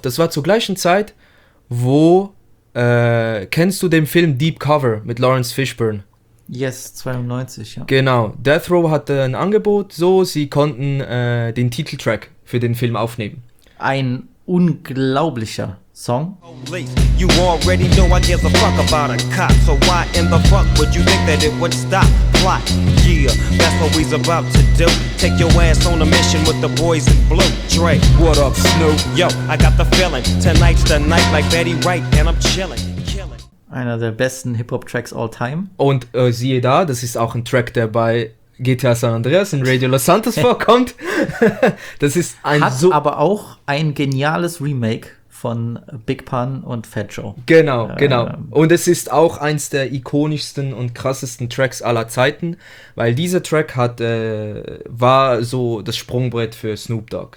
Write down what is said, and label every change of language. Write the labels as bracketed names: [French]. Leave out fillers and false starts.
[German] Das war zur gleichen Zeit, wo, kennst du den Film Deep Cover mit Lawrence Fishburne? [English] Yes, 92, ja. [German] Genau, Death Row hatte ein Angebot, so, sie konnten den Titeltrack für den Film aufnehmen. Ein unglaublicher Song. [English] You already know I give a fuck about a cop, so why in the fuck would you think that it would stop? Plot, yeah, that's what we's about to do. Take your ass on a mission with the boys in blue. Dre, what up, Snoop? Yo, I got the feeling, tonight's the night like Betty Wright and I'm chilling. [German] Einer der besten Hip-Hop-Tracks [English] all time. [German] Und siehe da, das ist auch ein Track, der bei GTA San Andreas in Radio Los Santos vorkommt. Das ist ein Hat so aber auch ein geniales Remake von Big Pun und Fat Joe. Genau, genau. Und es ist auch eins der ikonischsten und krassesten Tracks aller Zeiten, weil dieser Track hat war so das Sprungbrett für Snoop Dogg.